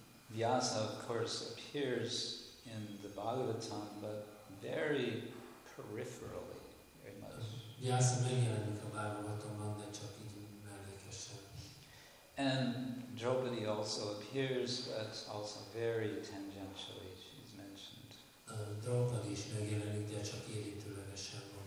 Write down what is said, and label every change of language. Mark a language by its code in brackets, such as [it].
[en] Vyasa, of course, appears in the Bhagavatam, but very peripherally, very much. [hu] Vyasa megjelenik a Bhagavatamban, de csak így mellékesen. [en] And Draupadi also appears, but also very tangentially, she's mentioned. [hu] Draupadi is megjelenik, de csak érintőlegesen.